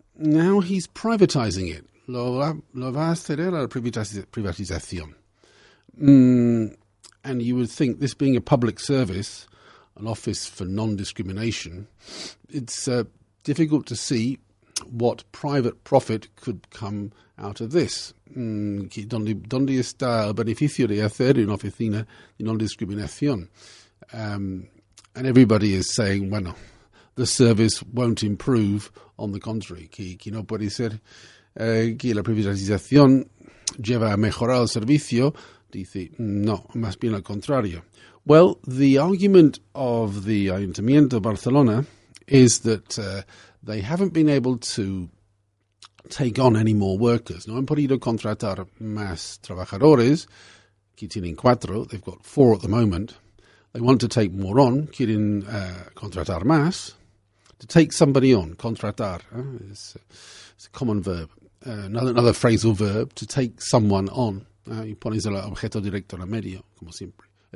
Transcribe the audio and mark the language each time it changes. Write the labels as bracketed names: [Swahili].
[English] now he's privatizing it. [Spanish] Lo va a hacer la privatización. [English] And you would think, this being a public service, an office for non-discrimination, it's difficult to see what private profit could come out of this. [Spanish] ¿Dónde está el beneficio de hacer una oficina de non-discriminación? [English] And everybody is saying, [Spanish] bueno, [English] the service won't improve, on the contrary. [Spanish] Que no puede ser que la privatización lleva a mejorar el servicio. Dice, no, más bien al contrario. [English] Well, the argument of the Ayuntamiento de Barcelona is that they haven't been able to take on any more workers. [Spanish] No han podido contratar más trabajadores, que tienen cuatro, [English] they've got four at the moment. They want to take more on, [Spanish] quieren contratar más. [English] To take somebody on, contratar, it's a common verb. Another phrasal verb, to take someone on. [Spanish] Y pones el objeto directo en medio, como siempre.